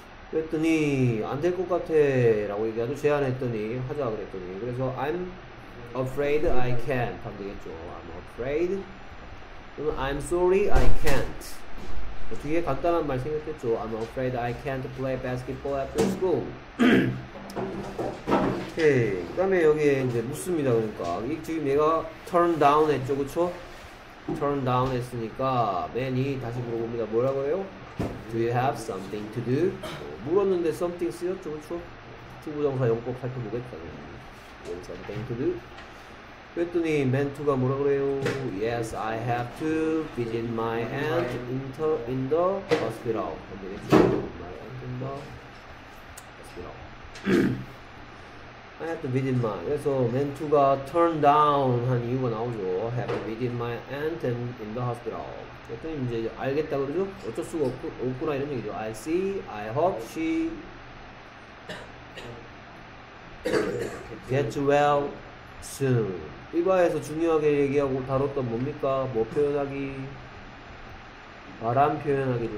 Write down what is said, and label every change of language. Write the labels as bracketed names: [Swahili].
[Korean] 그랬더니, 안될것 같아. 라고 얘기하죠. 제안했더니, 하자. 그랬더니. [English] 그래서, I'm afraid I can't. [Korean] 하면 되겠죠. [English] I'm afraid. I'm sorry I can't. [Korean] 뒤에 간단한 말 생각했죠. [English] I'm afraid I can't play basketball after school. [Korean] 오케이. 그다음에 여기에 이제 묻습니다. 그러니까 이 지금 얘가 turn down 했죠, 그쵸? turn down 했으니까 맨이 다시 물어봅니다. 뭐라고 해요? [English] Do you have something to do? [Korean] 물었는데 something 쓰였죠, 그쵸? 투부정사 용법 살펴보겠다. [English] with something to do. [Korean] 그랬더니 멘토가 뭐라 그래요? [English] Yes, I have to visit my aunt in the hospital. My aunt in the hospital. I have to visit my. [Korean] 그래서 멘토가 turn down 한 이유가 나오죠. [English] I have to visit my aunt in the hospital. [Korean] 그랬더니 이제 알겠다 그러죠? 어쩔 수가 없구나 이런 얘기죠. [English] I see, I hope she gets well soon. [Korean] 1화에서 중요하게 얘기하고 다뤘던 뭡니까? 뭐 표현하기? 바람 표현하기죠.